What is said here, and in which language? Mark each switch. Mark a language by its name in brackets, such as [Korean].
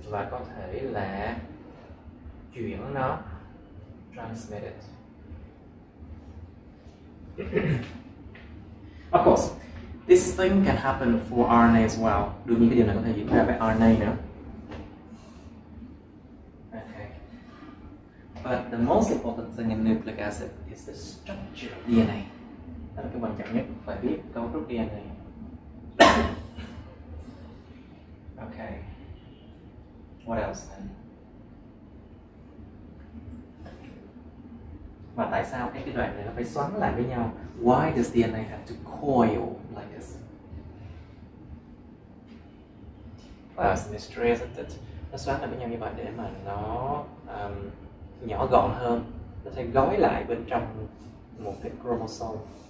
[Vietnamese] Và có thể là chuyển nó, [English] transmit it. Of course, this thing can happen for RNA as well. [Vietnamese] Đương nhiên cái điều này có thể diễn ra với RNA nữa. Okay. [English] But the most important thing in nucleic acid is the structure of DNA. [Vietnamese] Đó là cái quan trọng nhất, phải biết cấu trúc DNA. [English] Okay. What else then? [Vietnamese] Và tại sao cái đoạn này nó phải xoắn lại với nhau? [English] Why does DNA have to coil like this? Well, it's a mystery, isn't it? [Vietnamese] Nó xoắn lại với nhau như vậy để mà nó nhỏ gọn hơn. Nó sẽ gói lại bên trong một cái chromosome.